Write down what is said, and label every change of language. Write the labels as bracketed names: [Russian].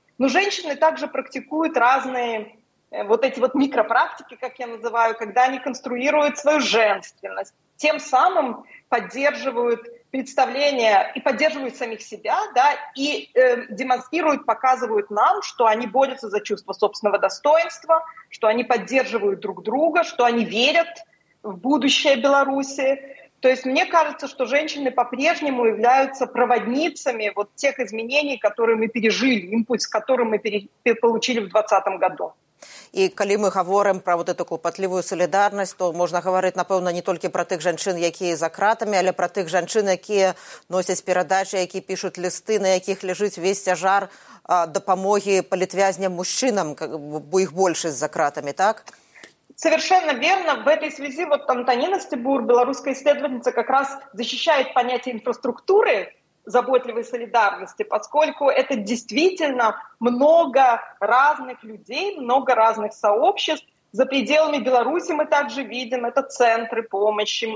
[Russian] Но женщины также практикуют разные вот эти вот микропрактики, как я называю, когда они конструируют свою женственность, тем самым поддерживают представления и поддерживают самих себя, да, и демонстрируют, показывают нам, что они борются за чувство собственного достоинства, что они поддерживают друг друга, что они верят в будущее Беларуси. То есть мне кажется, что женщины по-прежнему являются проводницами вот тех изменений, которые мы пережили, импульс, который мы получили в 2020 году. [Ukrainian] І коли ми говоримо про [Russian] вот эту [Ukrainian] клопотливую солідарність, то можна говорити, напевно, не тільки про тих жінчин, які за кратами, але про тих жінчин, які носять передачі, які пишуть листи, на яких лежить весь тяжар допомоги політв'язням мужчинам, бо їх більше за кратами, так? [Russian] Совершенно верно. В этой связи вот Антонина Стебур, белорусская исследовательница, как раз защищает понятие инфраструктуры заботливой солидарности, поскольку это действительно много разных людей, много разных сообществ. За пределами Беларуси мы также видим это центры помощи.